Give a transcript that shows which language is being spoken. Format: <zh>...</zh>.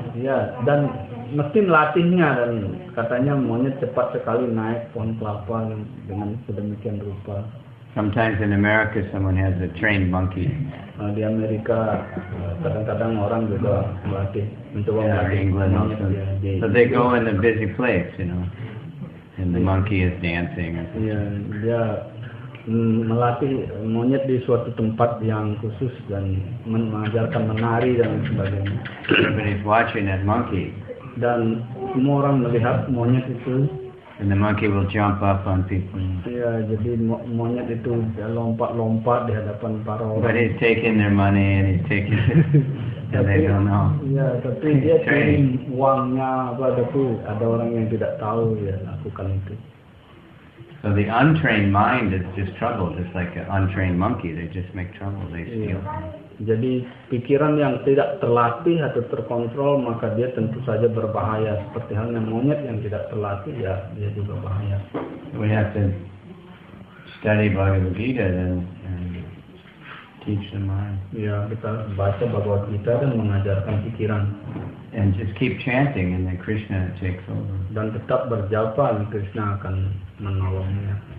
<id>Yeah, dan mesti melatihnya dan katanya monyet cepat sekali naik pohon kelapa dengan sedemikian rupa.</id> <en>Sometimes in America, someone has a trained monkey.</en> <id>Di Amerika, kadang-kadang orang juga melatih, mencoba melatih.</id> <en>Yeah, England also. So they go in a busy place, you know, and the monkey is dancing.</en> <id>Yeah, dia melatih monyet di suatu tempat yang khusus dan mengajarkan menari dan sebagainya.</id> <en>Everybody's watching that monkey.</en> <id>Dan semua orang melihat monyet itu.</id> <en>And the monkey will jump up on people.</en> <id>Yeah, jadi monyet itu dia lompat-lompat di hadapan para orang.</id> <en>But he's taking their money and he's taking it. And they don't know.</en> <id>Yeah, tapi dia taking uangnya pada itu. Ada orang yang tidak tahu dia lakukan itu.</id> <en>So the untrained mind is just trouble, just like an untrained monkey. They just make trouble. They steal. Yeah.</en> <id>Jadi pikiran yang tidak terlatih atau terkontrol maka dia tentu saja berbahaya. Seperti halnya monyet yang tidak terlatih, ya dia juga bahaya.</id> <en>We have to study Bhagavad Gita and teach the mind.</en> <id>Ya, kita baca Bhagavad Gita dan mengajarkan pikiran.</id> <en>And just keep chanting, and then Krishna takes over.</en> <id>dan tetap berjapa, Krishna akan menolongnya.</id>